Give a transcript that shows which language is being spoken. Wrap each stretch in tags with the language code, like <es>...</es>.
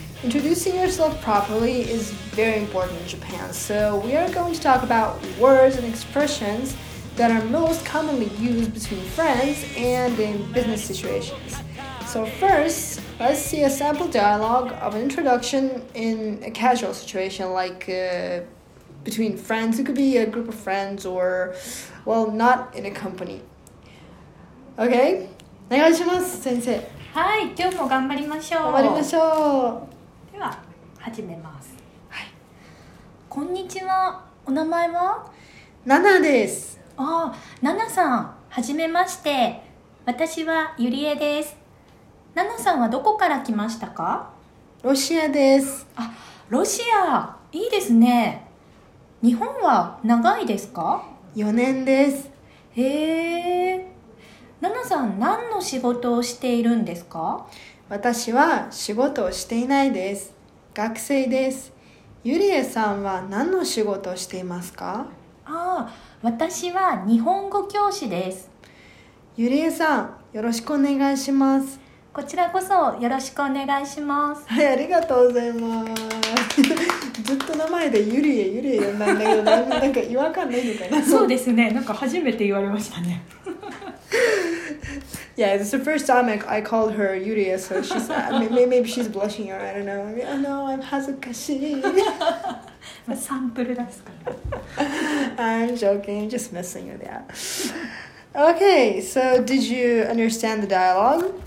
<en>Introducing yourself properly is very important in Japan, so we are going to talk about words and expressions that are most commonly used between friends and in business situations. So first, let's see a sample dialogue of an introduction in a casual situation, like between friends. It could be a group of friends or, well, not in a company. Okay?</en> <ja>お願いします、先生。はい、今日も頑張りましょう。頑張りましょう。では、始めます。はい。こんにちは。お名前は？ナナです。ああ、ナナさん、はじめまして。私はユリエです。ナナさんはどこから来ましたか？ロシアです。あ、ロシア、いいですね。日本は長いですか？ 4年です。へえ。ナナさん、何の仕事をしているんですか？私は仕事をしていないです。学生です。ユリエさんは何の仕事をしていますか？ああ、私は日本語教師です。ユリエさん、よろしくお願いします。こちらこそよろしくお願いします。はい、ありがとうございます。ずっと名前でユリエユリエ呼んだんだけど、なんか違和感ないのかな。そうですね、なんか初めて言われましたね。</ja> <en>Yeah, it's the first time I called her Yuri, so she's maybe she's blushing, or I don't know. Oh no, I'm</en> <ja>恥ずかしい。サンプルですから</ja> <en>。 I'm joking, just messing with that. Okay, so did you understand the dialogue?</en>